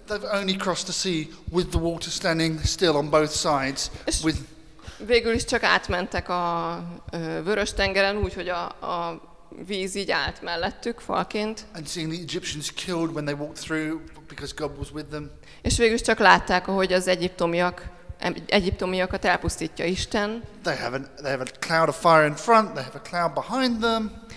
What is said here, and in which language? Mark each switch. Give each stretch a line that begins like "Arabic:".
English: They've only crossed the sea with the water standing still on both sides. With
Hungarian: végül is csak átmentek a vörös tengeren, úgyhogy a víz így állt mellettük falként.
English: And seeing the Egyptians killed when they walked through because God was with them.
Hungarian: És végül is csak látták, ahogy az egyiptomiakat elpusztítja Isten.
English: They have a cloud of fire in front, they have a cloud behind them.